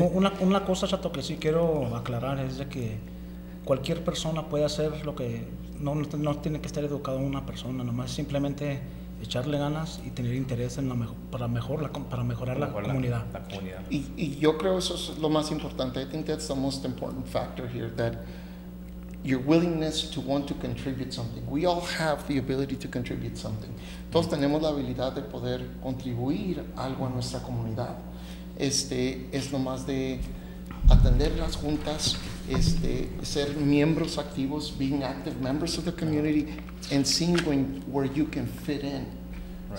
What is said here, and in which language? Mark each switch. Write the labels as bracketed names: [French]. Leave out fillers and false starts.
[Spanish] Una cosa, Chato, que sí quiero aclarar es de que cualquier persona puede hacer lo que... No tiene que estar educado una persona, nomás simplemente... echarle ganas y tener interés en para mejorar la comunidad. Y yo creo eso es lo más importante. [English] I think that's the most important factor here, that your willingness to want to contribute something. We all have the ability to contribute something. [Spanish] Todos tenemos la habilidad de poder contribuir algo a nuestra comunidad. Es lo más de atender las juntas, ser miembros activos, [English] being active members of the community, and seeing where you can fit in. Right.